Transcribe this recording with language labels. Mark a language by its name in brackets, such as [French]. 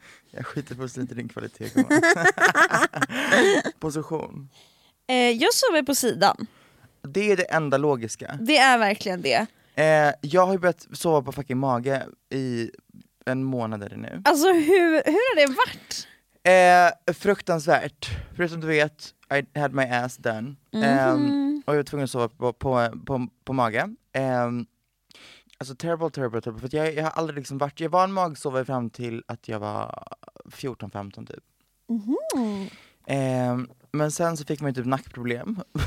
[Swedish] Jag skiter på lite din kvalitet. Position. Jag sover på sidan. Det är det enda logiska. Det är verkligen det. Jag har ju börjat sova på fucking mage i en månad eller nu. Alltså hur har det varit? Fruktansvärt. Förutom du vet, [English] I had my ass done. [Swedish] Och jag var tvungen att sova på mage. Alltså terrible. För att jag har aldrig liksom varit... Jag var en magsovare fram till att jag var 14-15 typ. Mm-hmm. Men sen så fick man ju typ nackproblem.